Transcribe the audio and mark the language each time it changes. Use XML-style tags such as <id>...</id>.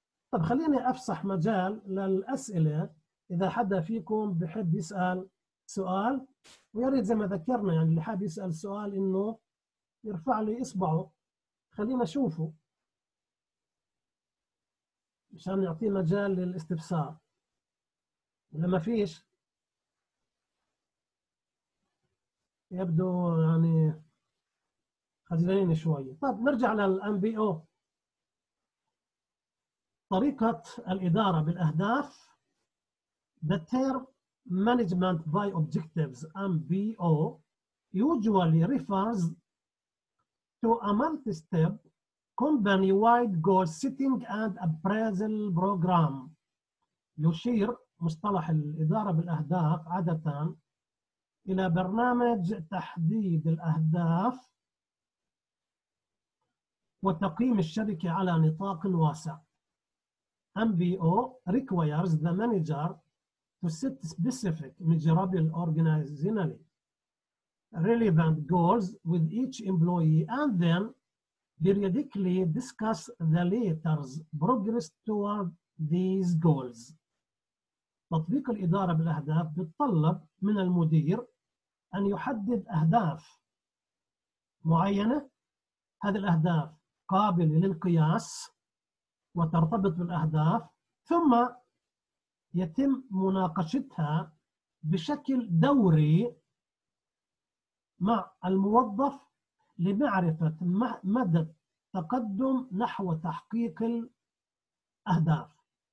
<ar>طب خليني أفسح مجال للأسئلة، إذا حدا فيكم بحب يسأل سؤال، ويريد زي ما ذكرنا يعني اللي حاب يسأل سؤال إنه يرفع لي إصبعه خلينا نشوفه مشان نعطيه مجال للاستفسار. ولما فيش يبدو يعني خجلين شوية. طب نرجع للان بي او، طريقة الإدارة بالأهداف،</ar> <en>the term management by objectives MBO usually refers to a multi-step company-wide goal setting and appraisal program.</en> <ar>يشير مصطلح الإدارة بالأهداف عادة إلى برنامج تحديد الأهداف وتقييم الشركة على نطاق واسع.</ar> <en>MBO requires the manager to set specific measurable organizationally relevant goals with each employee and then periodically discuss the latter's progress toward these goals.</en> <ar>تطبيق الإدارة بالأهداف بتطلب من المدير أن يحدد أهداف معينة، هذه الأهداف قابلة للقياس وترتبط بالأهداف، ثم يتم مناقشتها بشكل دوري مع الموظف لمعرفة مدى التقدم نحو تحقيق الأهداف.</ar>